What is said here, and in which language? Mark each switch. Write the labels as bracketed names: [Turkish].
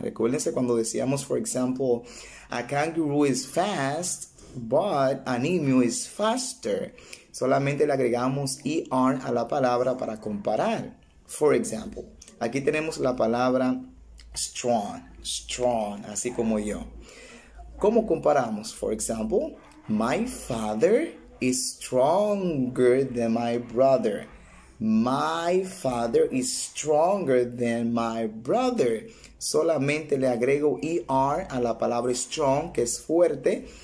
[Spanish] Recuérdense cuando decíamos, [English] for example, a kangaroo is fast, but an emu is faster. [Spanish] Solamente le agregamos ER a la palabra para comparar. [English] For example, [Spanish] aquí tenemos la palabra strong, strong, así como yo. ¿Cómo comparamos? [English] For example, my father is stronger than my brother. My father is stronger than my brother. [Spanish] Solamente le agrego ER a la palabra strong, que es fuerte.